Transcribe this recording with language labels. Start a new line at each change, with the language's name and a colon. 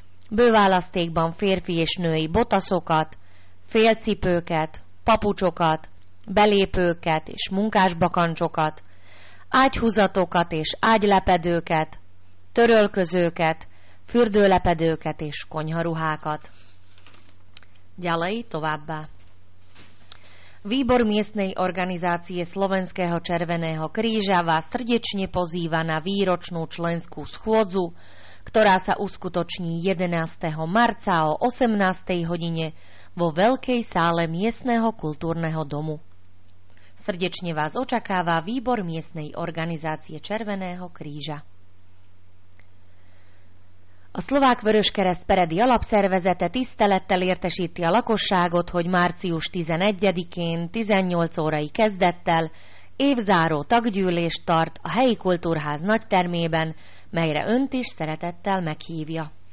Hungarian: bőválasztékban férfi és női botaszokat, félcipőket, papucsokat, belépőket és munkásbakancsokat, ágyhúzatokat és ágylepedőket, törölközőket, fürdőlepedőket és konyharuhákat.
Slovak: Ďalej továbbá. Výbor miestnej organizácie Slovenského červeného kríža vás srdečne pozýva na výročnú členskú schôdzu, ktorá sa uskutoční 11. marca o 18. hodine vo veľkej sále miestneho kultúrneho domu. Srdečne vás očakáva výbor miestnej organizácie Červeného kríža.
Hungarian: A Szlovák Vöröskereszt Peredi alapszervezete tisztelettel értesíti a lakosságot, hogy március 11-én 18 órai kezdettel évzáró taggyűlést tart a helyi kultúrház nagytermében, melyre önt is szeretettel meghívja.